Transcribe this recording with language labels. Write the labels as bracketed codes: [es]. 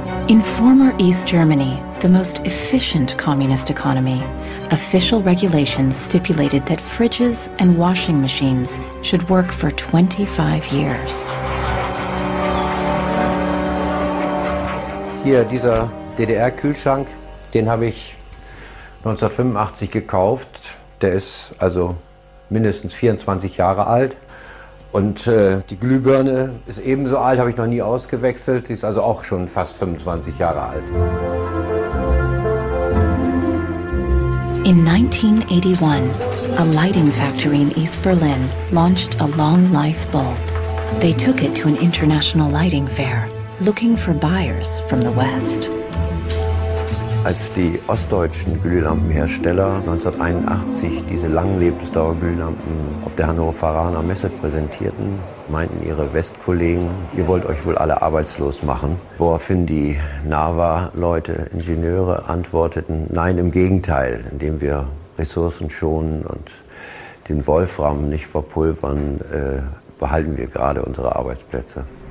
[en] In former East Germany, the most efficient communist economy, official regulations stipulated that fridges and washing machines should work for 25 years. [de] Hier, dieser DDR-Kühlschrank, den habe ich 1985 gekauft. Der ist also mindestens 24 Jahre alt. Und die Glühbirne ist ebenso alt, habe ich noch nie ausgewechselt, die ist also auch schon fast 25 Jahre alt. [en] In 1981, a lighting factory in East Berlin launched a long life bulb. They took it to an international lighting fair, looking for buyers from the West. [de] Als die ostdeutschen Glühlampenhersteller 1981 diese Langlebensdauer-Glühlampen auf der Hannoveraner Messe präsentierten, meinten ihre Westkollegen, ihr wollt euch wohl alle arbeitslos machen. Woraufhin die NAVA-Leute, Ingenieure, antworteten, nein, im Gegenteil, indem wir Ressourcen schonen und den Wolfram nicht verpulvern, behalten wir gerade unsere Arbeitsplätze.